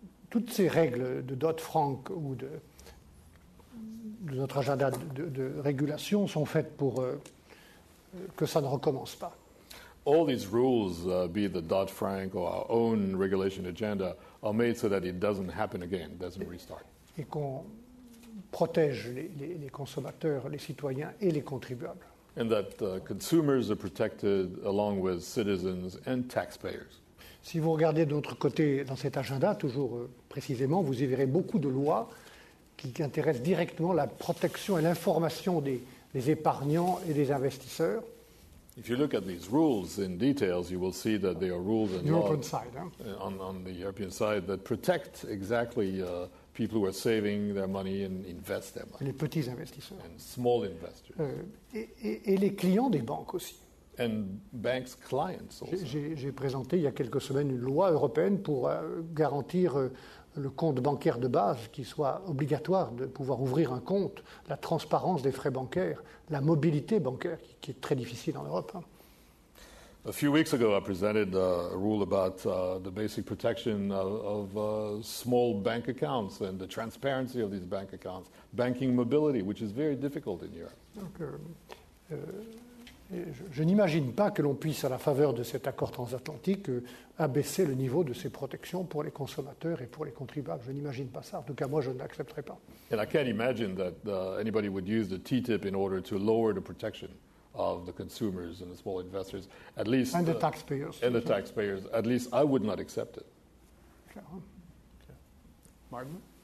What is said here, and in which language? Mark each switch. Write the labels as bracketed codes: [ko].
[fr] Toutes ces règles de Dodd-Frank ou de notre agenda de régulation sont faites pour que ça ne recommence pas. [en] All these rules, be it the Dodd-Frank or our own regulation agenda, are made so that it doesn't happen again, doesn't restart. [fr] Et qu'on protège les consommateurs, les citoyens et les contribuables. [en] And that consumers are protected along with citizens and taxpayers. [fr] Si vous regardez de l'autre côté dans cet agenda, toujours précisément, vous y verrez beaucoup de lois qui intéressent directement la protection et l'information des épargnants et des investisseurs. [en] If you look at these rules in details, you will see that they are rules and European laws side, hein? on the European side that protect exactly people who are saving their money and invest their money. [fr] Les petits investisseurs. [en] And small investors. [fr] Et les clients des banques aussi. [en] And banks' clients also. [fr] J'ai présenté il y a quelques semaines une loi européenne pour garantir le compte bancaire de base qui soit obligatoire de pouvoir ouvrir un compte, la transparence des frais bancaires, la mobilité bancaire qui est très difficile en Europe. [en] A few weeks ago, I presented a rule about the basic protection of small bank accounts and the transparency of these bank accounts, banking mobility, which is very difficult in Europe. [fr] Je n'imagine pas que l'on puisse, à la faveur de cet accord transatlantique, abaisser le niveau de ces protections pour les consommateurs et pour les contribuables. Je n'imagine pas ça. En tout cas, moi, je ne l'accepterai pas. [en] And I can't imagine that anybody would use the TTIP in order to lower the protection of the consumers and the small investors. At least, and the taxpayers. And the taxpayers. At least, I would not accept it. Okay. Martin?